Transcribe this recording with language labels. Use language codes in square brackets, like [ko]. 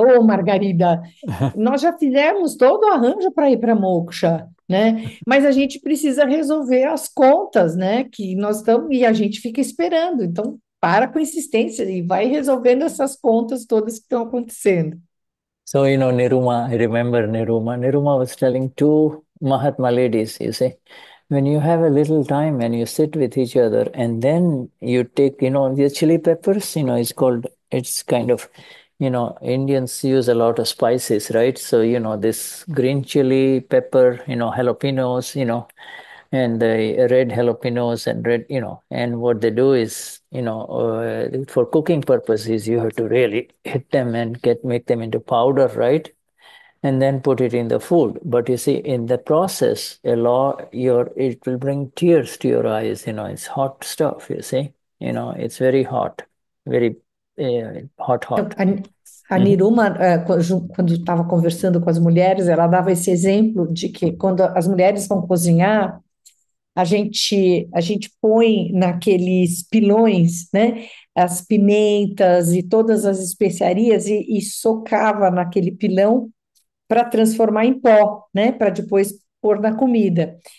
[pt] Ô, Margarida, nós já fizemos todo o arranjo para ir para Moksha, né? Mas a gente precisa resolver as contas, né? Que nós estamos, e a gente fica esperando. Então, para com insistência e vai resolvendo essas contas todas que estão acontecendo. [en] So, you know, Niruma, I remember Niruma. Niruma was telling two Mahatma ladies, you see, when you have a little time and you sit with each other and then you take, you know, the chili peppers, you know, it's kind of, you know, Indians use a lot of spices, right? So, you know, this green chili pepper, you know, jalapenos, you know, and the red jalapenos and red, you know, and what they do is, you know, for cooking purposes, you have to really hit them and make them into powder, right? And then put it in the food. But you see, in the process, it will bring tears to your eyes. You know, it's hot stuff, you see. You know, it's very hot, very hot, hot. [pt] A Niruma, quando estava conversando com as mulheres, ela dava esse exemplo de que quando as mulheres vão cozinhar, a gente põe naqueles pilões, né, as pimentas e todas as especiarias e socava naquele pilão para transformar em pó, né, para depois pôr na comida.